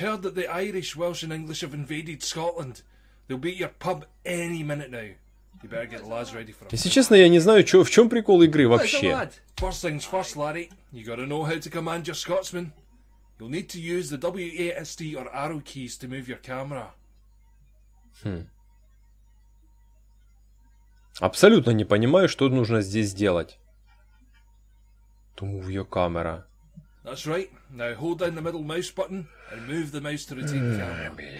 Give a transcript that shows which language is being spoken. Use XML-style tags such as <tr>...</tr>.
<en>Just heard that the Irish, Welsh and English have invaded Scotland. They'll be at your pub any minute now. You better get the lads ready for them.</en> <ru>Если честно, я не знаю, в чем прикол игры вообще.</ru> <en>First things first, Larry. You gotta know how to command your Scotsman. You'll need to use the WASD or arrow keys to move your camera.</en> <ru>Абсолютно не понимаю, что нужно здесь делать.</ru> <en>To move your camera. That's right. Now hold down the middle mouse button and move the mouse to retain camera.</en>